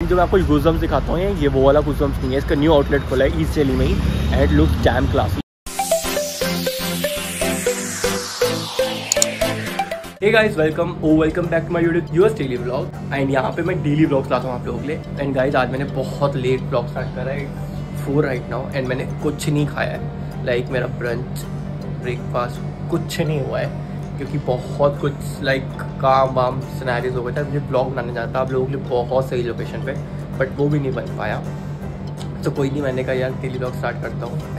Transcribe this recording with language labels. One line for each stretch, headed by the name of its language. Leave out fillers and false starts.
Hindi: जो मैं आपको गूज़बम्स दिखाता हूँ, ये वो वाला गूज़बम्स नहीं है, इसका न्यू आउटलेट खुला है ईस्ट दिल्ली में ही,
English: And looks damn classy. Hey guys, welcome, oh welcome back to my US daily vlog, and
Hindi: यहाँ पे मैं डेली व्लॉग्स लाता हूँ आप लोगों के लिए। एंड गाइज, आज मैंने बहुत लेट व्लॉग स्टार्ट करा है, 4
English: right now,
Hindi: एंड मैंने कुछ नहीं खाया है, लाइक मेरा ब्रंच ब्रेकफास्ट कुछ नहीं हुआ है, क्योंकि बहुत कुछ लाइक काम वाम सिनेरियोस हो गए थे। मुझे ब्लॉग बनाने जाना था आप लोगों के लिए बहुत सही लोकेशन पे, बट वो भी नहीं बन पाया, तो कोई नहीं, मैंने कहा यार डेली व्लॉग स्टार्ट करता हूँ।